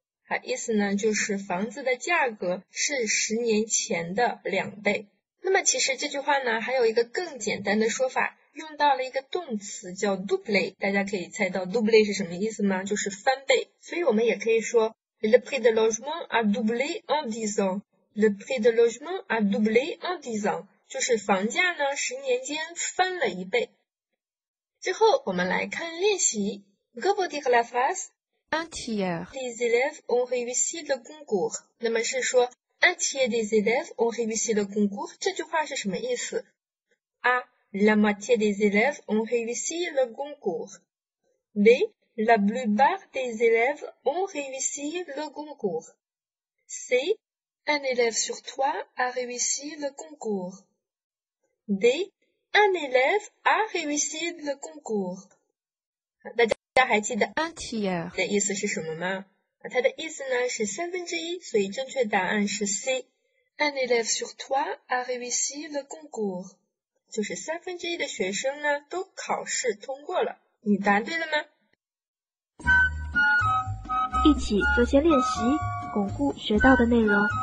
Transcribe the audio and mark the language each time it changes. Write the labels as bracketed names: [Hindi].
[Chinese] 啊，意思呢就是房子的价格是10年前的2倍。那么其实这句话呢还有一个更简单的说法，用到了一个动词叫 double，大家可以猜到 double 是什么意思吗？就是翻倍。所以我们也可以说 [French] le prix de logement a doublé en 10 ans。 Le prix de logement a doublé en 10 ans， [Chinese] 就是房价呢10年间翻了一倍。最后我们来看练习。 [French] Repetir la phrase。 Un tiers des élèves ont réussi le concours。 [Chinese] 那么是说 [French] un tiers des élèves ont réussi le concours。 [Chinese] 这句话是什么意思？A. [French] La moitié des élèves ont réussi le concours。 B. La plupart des élèves ont réussi le concours。 C. Un élève sur trois a réussi le concours。 D. Un élève a réussi le concours。 [Chinese] 大家还记得 [French] un tiers [Chinese] 的意思是什么吗？它的意思呢是三分之一，所以正确答案是 C。 [French] Un élève sur trois a réussi le concours。 [Chinese] 就是三分之一的学生呢都考试通过了。你答对了吗？一起做些练习，巩固学到的内容。